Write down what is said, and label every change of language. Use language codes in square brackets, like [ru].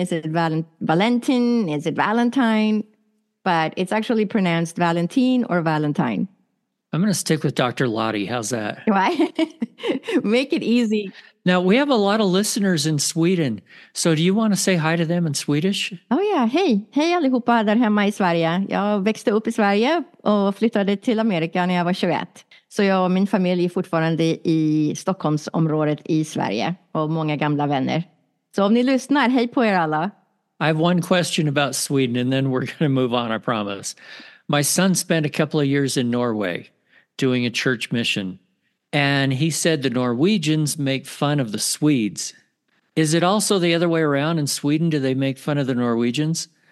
[en] Is it Valentin? Is it Valentine? But it's actually pronounced Valentine or Valentine. I'm going to stick with Dr. Lotte. How's that? Why? Make it easy. Now, we have a lot of listeners in Sweden. So do you want to say hi to them in Swedish? Oh, yeah. Hey. [sv] Hey, allihopa där hemma i Sverige. Jag växte upp i Sverige och flyttade till Amerika när jag var 21. Så jag och min familj är fortfarande i Stockholmsområdet i Sverige och många gamla vänner. Så om ni lyssnar, hej på er alla. [en] I have one question about Sweden and then we're going to move on, I promise. My son spent a couple of years in Norway doing a church mission, and he said the Norwegians make fun of the Swedes. Is it also the other way around in Sweden? Do they make fun of the Norwegians?